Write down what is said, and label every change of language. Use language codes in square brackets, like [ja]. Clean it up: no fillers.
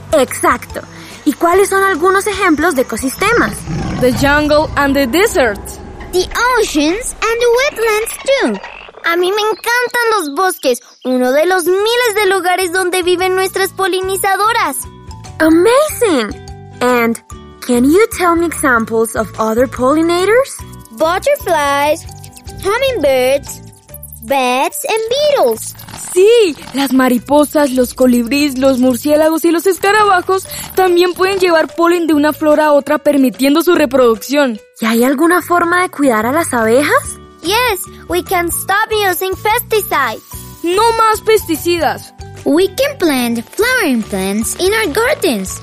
[es] Exacto. ¿Y cuáles son algunos ejemplos de ecosistemas? [en] The jungle and the desert. The oceans and the wetlands too. [es] A mí me encantan los bosques, uno de los miles de lugares donde viven nuestras polinizadoras. [en] Amazing. And can you tell me examples of other pollinators? Butterflies, hummingbirds, bats and beetles. [es] Sí, las mariposas, los colibríes, los murciélagos y los escarabajos también pueden llevar polen de una flor a otra permitiendo su reproducción. ¿Y hay alguna forma de cuidar a las abejas? [en] Yes, we can stop using pesticides. [es] No más pesticidas. [en] We can plant flowering plants in our gardens.